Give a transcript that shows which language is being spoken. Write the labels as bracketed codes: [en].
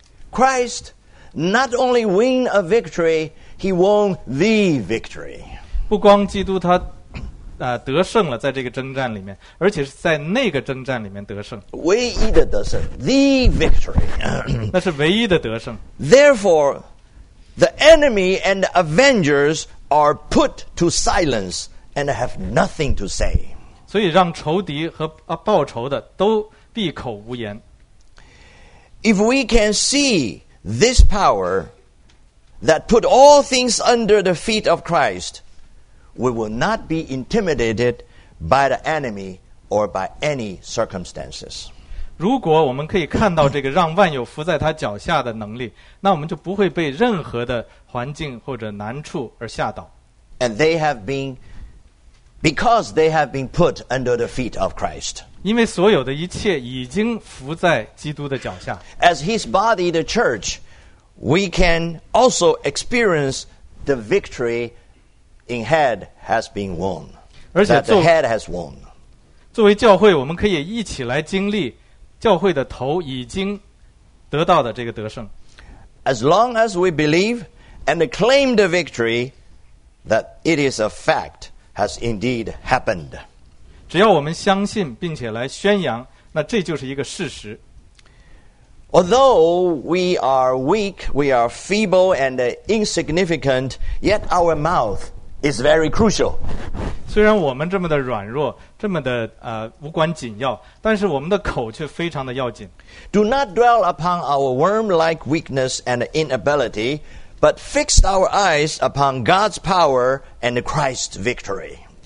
[en] Christ not only win a victory, he won the victory. [zh] 不光基督他得胜了，在这个征战里面，而且是在那个征战里面得胜，唯一的得胜， [en] the victory. [zh] 那是唯一的得胜。 [en] Therefore, the enemy and avengers are put to silence and have nothing to say. [zh] 所以让仇敌和报仇的都闭口无言。 [en] If we can see this power that put all things under the feet of Christ, we will not be intimidated by the enemy or by any circumstances. [zh] 如果我们可以看到这个让万有伏在他脚下的能力，那我们就不会被任何的环境或者难处而吓倒。 [en] And they have been, because they have been put under the feet of Christ. [zh] 因为所有的一切已经伏在基督的脚下。 [en] As his body, the church, we can also experience the victory in head has been won. [zh] 而且 [en] the head has won. [zh] 作为教会，我们可以一起来经历教会的头已经得到的这个得胜。 [en] As long as we believe and claim the victory, that it is a fact has indeed happened. [zh] 只要我们相信并且来宣扬，那这就是一个事实。 [en] Although we are weak, we are feeble and insignificant, yet our mouth is very crucial. [zh] 虽然我们这么的软弱，这么的无关紧要，但是我们的口却非常的要紧。 [en] Do not dwell upon our worm-like weakness and inability, but fix our eyes upon God's power and Christ's victory.